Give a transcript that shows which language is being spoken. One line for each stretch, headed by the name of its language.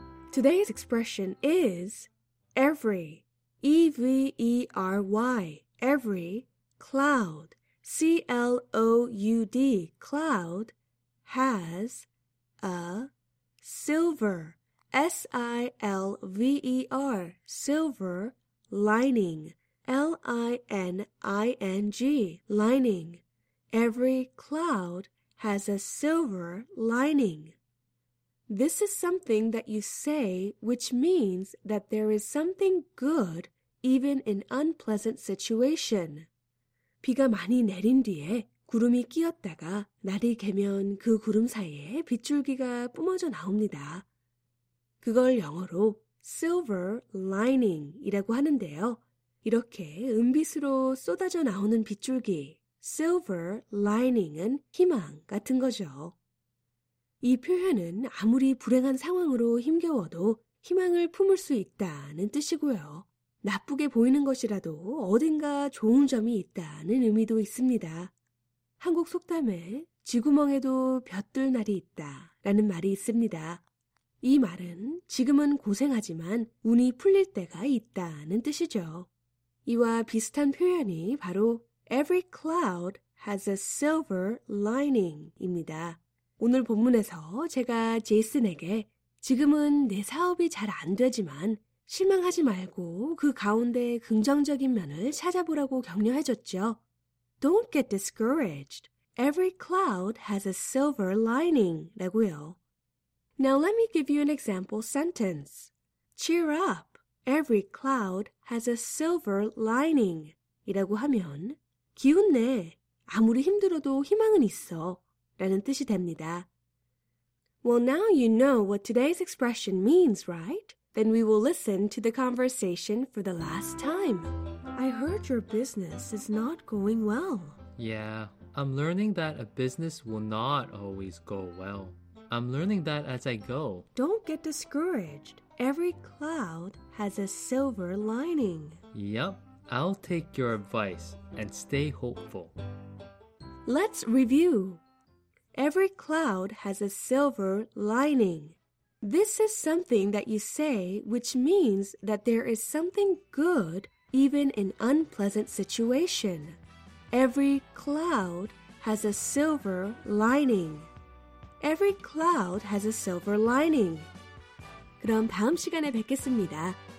English: Today's expression is every, E-V-E-R-Y, every cloud, C-L-O-U-D, cloud, has a silver, S-I-L-V-E-R, silver lining, L-I-N-I-N-G, lining. Every cloud has a silver lining. This is something that you say, which means that there is something good even in unpleasant situation.
Korean: 비가 많이 내린 뒤에 구름이 끼었다가 날이 개면 그 구름 사이에 빗줄기가 뿜어져 나옵니다. 그걸 영어로 silver lining이라고 하는데요. 이렇게 은빛으로 쏟아져 나오는 빗줄기, silver lining은 희망 같은 거죠. 이 표현은 아무리 불행한 상황으로 힘겨워도 희망을 품을 수 있다는 뜻이고요. 나쁘게 보이는 것이라도 어딘가 좋은 점이 있다는 의미도 있습니다. 한국 속담에 지구멍에도 볕들 날이 있다라는 말이 있습니다. 이 말은 지금은 고생하지만 운이 풀릴 때가 있다는 뜻이죠. 이와 비슷한 표현이 바로 Every cloud has a silver lining 입니다. 오늘 본문에서 제가 제이슨에게 지금은 내 사업이 잘 안 되지만 실망하지 말고 그 가운데 긍정적인 면을 찾아보라고 격려해줬죠.
English: Don't get discouraged. Every cloud has a silver lining.
Korean: 라고요.
English: Now let me give you an example sentence. Cheer up. Every cloud has a silver lining.
Korean: 이라고 하면 기운 내. 아무리 힘들어도 희망은 있어. 라는 뜻이 됩니다.
English: Well, now you know what today's expression means, right? Then we will listen to the conversation for the last time. I heard your business is not going well. Yeah, I'm learning that a business will not always go well. I'm learning that as I go. Don't get discouraged. Every cloud has a silver lining. Yep, I'll take your advice and stay hopeful. Let's review. Every cloud has a silver lining. This is something that you say, which means that there is something good even in unpleasant situation. Every cloud has a silver lining. Every cloud has a silver lining.
Korean: 그럼 다음 시간에 뵙겠습니다.